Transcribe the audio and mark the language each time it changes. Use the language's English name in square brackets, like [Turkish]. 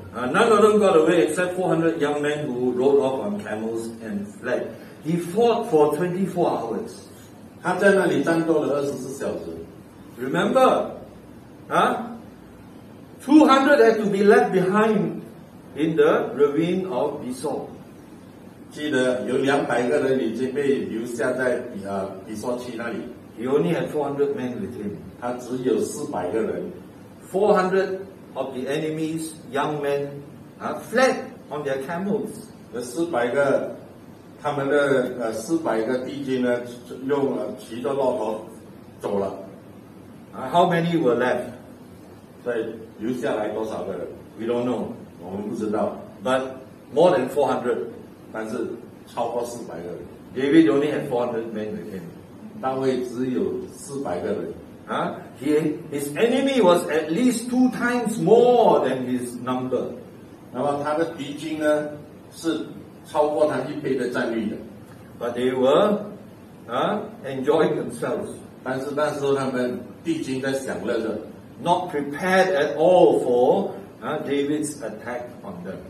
[English] None of them got away except 400 young men who rode off on camels and fled. He fought for 24 hours. [Chinese] 他在那里战斗了二十四小时。 [English] Remember, 200 had to be left behind in the ravine of Bisor. [Chinese] 记得有200个人已经被留下在比索区那里。 [English] He only had 400 men with him. [Chinese] 他只有400个人。 [English] 400 of the enemy's young men fled on their camels. [Chinese] 那400个他们的400个敌军呢用骑着骆驼走了。 [English] How many were left? [Chinese] 所以留下来多少个人 [English] ?We don't know. [Chinese] 我们不知道。 [English] But more than 400. [Chinese] 但是超过四百个人。 [English] David only had 400 men with him. [Chinese] 大卫只有四百个人。 [English] His enemy was at least two times more than his number. [Chinese] 那么他的敌军呢是超过他一倍的战力的。 [English] But they were enjoying themselves. [Chinese] 但是那时候他们敌军在享乐着。 [English] Not prepared at all for David's attack on them.